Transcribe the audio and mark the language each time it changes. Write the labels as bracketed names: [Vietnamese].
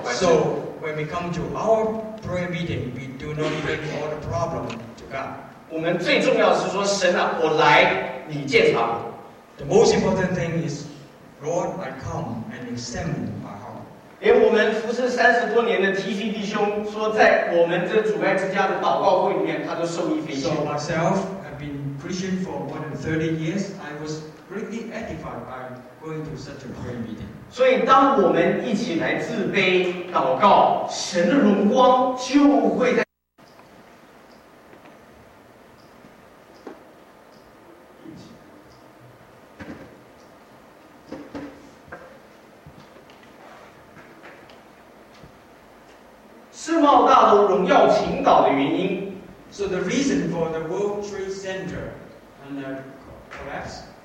[English] So when we come to our prayer meeting, we do not bring all the problem to God. [Chinese] 我们最重要的是说，神啊，我来，你鉴察我。 [English] The most important thing is, Lord, I come and examine my heart. [Chinese] 连我们服侍30多年的TC弟兄说，在我们这主爱之家的祷告会里面，他都受益匪浅。 [English] So myself, I've been preaching for more than 30 years. I was greatly edified by going to such a prayer meeting. [Chinese] 所以，当我们一起来自卑祷告，神的荣光就会在。世贸大楼荣耀倾倒的原因。 [English] So the reason for the World Trade Center and the collapse